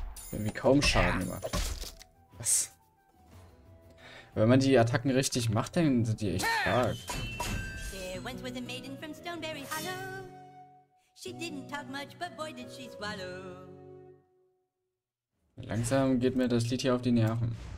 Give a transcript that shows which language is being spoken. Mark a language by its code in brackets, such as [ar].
[de] Irgendwie kaum Schaden gemacht. Was? Wenn man die Attacken richtig macht, dann sind die echt stark. [en] There once was a maiden from Stoneberry Hollow. She didn't talk much, but boy did she swallow. [de] Langsam geht mir das Lied hier auf die Nerven.